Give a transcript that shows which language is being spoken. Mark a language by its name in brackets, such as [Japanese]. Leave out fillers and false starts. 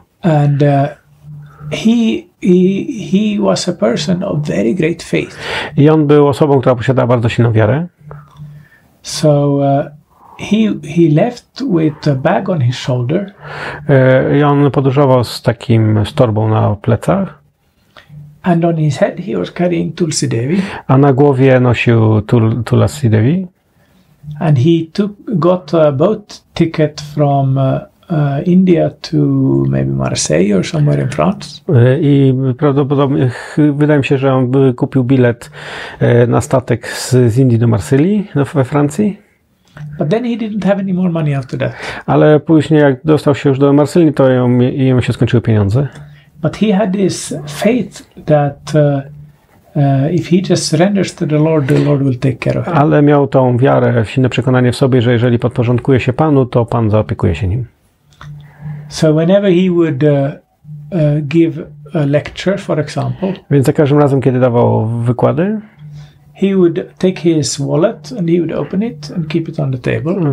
[English] And he was a person of very great faith. [Polish] I on był osobą, która posiadała bardzo silną wiarę. [English] So he left with a bag on his shoulder. [Polish] I on podróżował z takim z torbą na plecach. [English] And on his head he was carrying Tulsi Devi. [Polish] A na głowie nosił Tulsi Devi. [English] And he got a boat ticket from India to maybe Marseille or somewhere in France. [Polish] I prawdopodobnie wydaje mi się, że on kupił bilet na statek z Indii do Marsylii, we Francji. [English] But then he didn't have any more money after that. [Polish] Ale później jak dostał się już do Marsylii, to jemu się skończyły pieniądze. [English] But he had this faith that if he just surrenders to the Lord will take care of him. [Polish] Ale miał tą wiarę, silne przekonanie w sobie, że jeżeli podporządkuje się Panu, to Pan zaopiekuje się nim. [English] So whenever he would give a lecture, for example. [Polish] Więc za każdym razem, kiedy dawał wykłady, [English] he would take his wallet and he would open it and keep it on the table.